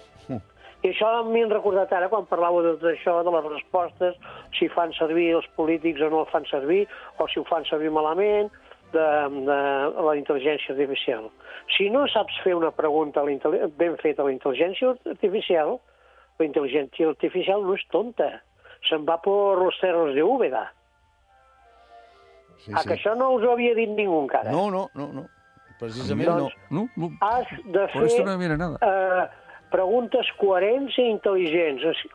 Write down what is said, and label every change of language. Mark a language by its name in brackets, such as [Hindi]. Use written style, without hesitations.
[Catalan] I això m'hi han recordat ara, quan parlava de tot això, de les respostes, si fan servir els polítics o no els fan servir, o si ho fan servir malament, de la intel·ligència artificial. Si no saps fer una pregunta ben feta a la intel·ligència artificial, la intel·ligència artificial no és tonta. [Spanish] Se'n va por los cerros de Úbeda. [Catalan] Sí, que això no us ho havia dit ningú encara. No. Precisament doncs, no. Has de fer preguntes coherents i intel·ligents.